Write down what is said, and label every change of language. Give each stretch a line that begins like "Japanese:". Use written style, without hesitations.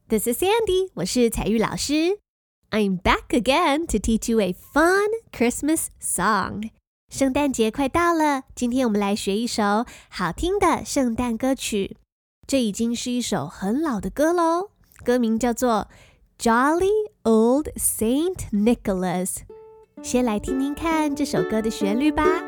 English: This is Sandy,
Chinese: 我是彩玉老师。
English: I'm back again to teach you a fun Christmas song.
Chinese: 圣诞节快到了，今天我们来学一首好听的圣诞歌曲。这已经是一首很老的歌咯。歌名叫做 Jolly Old Saint Nicholas。先来听听看这首歌的旋律吧。